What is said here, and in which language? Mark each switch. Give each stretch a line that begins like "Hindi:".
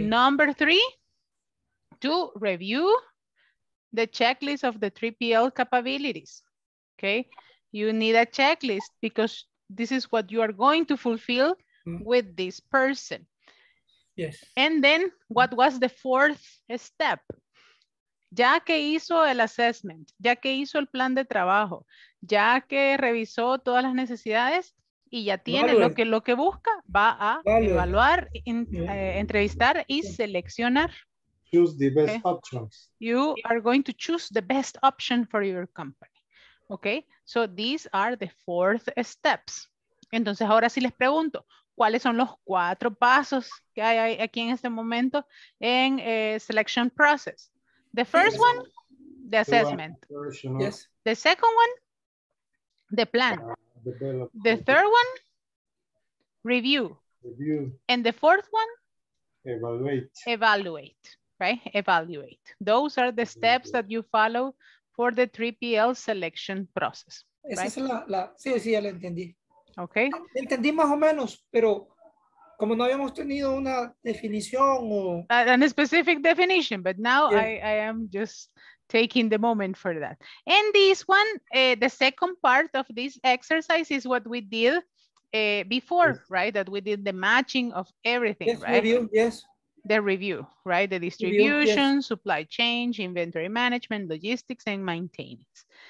English: Number three, to review the checklist of the 3PL capabilities, okay? You need a checklist because this is what you are going to fulfill with this person. Yes. And then what was the fourth step?
Spanish: Ya que hizo el assessment, ya que hizo el plan de trabajo, ya que revisó todas las necesidades y ya tiene lo que busca, va a evaluar, entrevistar y seleccionar.
English: Choose the best options. You are going to choose the best option for your company. Okay, so these are the fourth steps.
Spanish: Entonces ahora sí les pregunto, ¿cuáles son los cuatro pasos que hay aquí en este momento en
English: selection process? The first one, the assessment. Yes. The second one, the plan. The third one, review. Review. And the fourth one, evaluate. Evaluate. Right? Evaluate. Those are the steps that you follow for the 3PL selection process. Right?
Spanish: Esa es la, sí, ya la entendí.
English: Okay.
Spanish: Entendí más o menos, pero como no habíamos tenido una definición o...
English: A specific definition, but now I am just taking the moment for that. And this one, the second part of this exercise is what we did before, right? That we did the matching of everything, yes, right? Review, yes. The review, right? The distribution, review, yes. Supply chain, inventory management, logistics, and maintenance.